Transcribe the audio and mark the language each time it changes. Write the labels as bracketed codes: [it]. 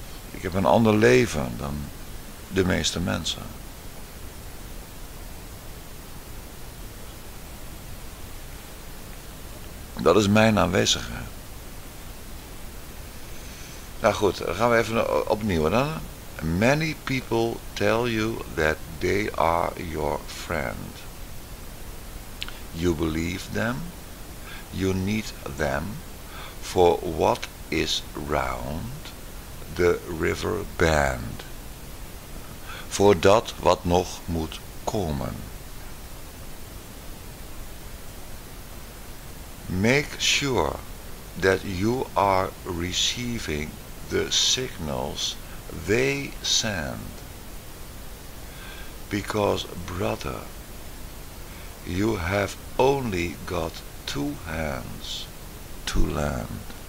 [nl] Ik heb een ander leven dan de meeste mensen. Dat is mijn aanwezigheid. Nou goed, dan gaan we even opnieuw dan. [en] Many people tell you that they are your friend. You believe them. You need them for what is round the river bend. [nl] Voor dat wat nog moet komen. [en] Make sure that you are receiving the signals they send. Because, brother, you have only got two hands to lend.